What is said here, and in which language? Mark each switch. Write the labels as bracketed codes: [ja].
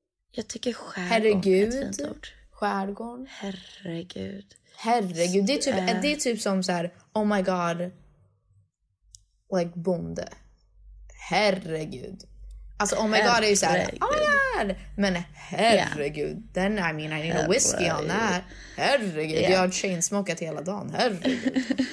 [sv] Jag tycker skärgård. Herregud. Skärgård. Herregud. Herregud, det är typ som så här, [en] oh my god, like [sv] bonde. Herregud. Alltså [en] oh my god [sv] är ju så här, oh my god. Men herregud, yeah. [en] Then I mean I need a whiskey on that. [sv] Herregud, yeah. Jag har chainsmokat hela dagen. Herregud.